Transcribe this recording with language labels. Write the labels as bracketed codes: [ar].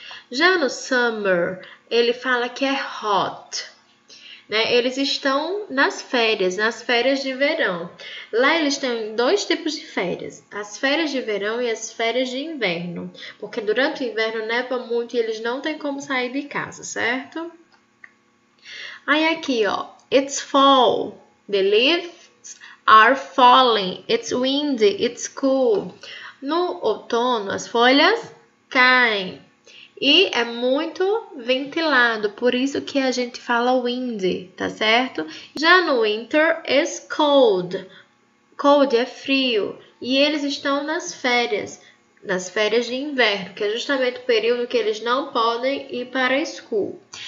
[pt] Já no summer, ele fala que é hot, né? Eles estão nas férias de verão. Lá eles têm dois tipos de férias, as férias de verão e as férias de inverno. Porque durante o inverno neva muito e eles não têm como sair de casa, certo? Aí aqui, ó, [en] it's fall, the leaves are falling, it's windy, it's cool. [pt] No outono, as folhas caem. E é muito ventilado, por isso que a gente fala windy, tá certo? Já no [en] winter, it's cold. [pt] Cold é frio. E eles estão nas férias de inverno, que é justamente o período que eles não podem ir para a school.